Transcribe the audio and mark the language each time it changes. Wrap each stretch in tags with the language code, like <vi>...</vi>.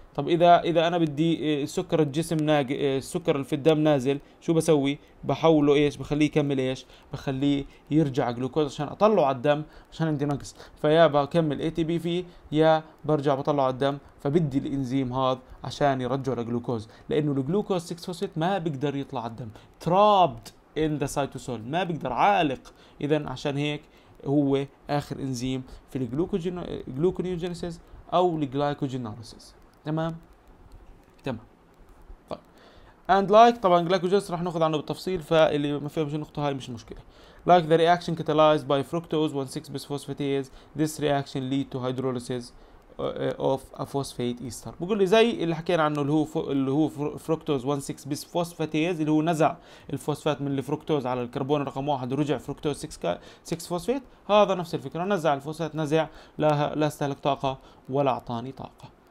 <ar>طب اذا انا بدي سكر الجسم السكر اللي في الدم نازل شو بسوي؟ بحوله ايش؟ بخليه يكمل ايش؟ بخليه يرجع جلوكوز عشان اطلعه على الدم عشان عندي نقص، فيا بكمل اي تي بي فيه يا برجع بطلعه على الدم، فبدي الانزيم هذا عشان يرجعه لجلوكوز، لانه الجلوكوز 6 فوسفيت ما بيقدر يطلع على الدم،</ar> <en>trapped in the cytosol,</en> <ar>ما بيقدر عالق. اذا عشان هيك هو اخر انزيم في الجلوكونيوجينيسيس او الجلايكوجينوليسيس. تمام. And like طبعا glycogenesis راح ناخذ عنه بالتفصيل، فاللي ما فهمش النقطه هاي مش مشكله.</ar> <en>Like the reaction catalyzed by fructose 1,6-bisphosphatase, this reaction lead to hydrolysis of a phosphate ester.</en> <ar>بقول لي زي اللي حكينا عنه اللي هو فروكتوز 1,6-bisphosphatase اللي هو نزع الفوسفات من الفروكتوز على الكربون رقم 1 ورجع فروكتوز 6-phosphate. هذا نفس الفكره، نزع الفوسفات نزع، لا استهلك طاقه ولا اعطاني طاقه.</ar>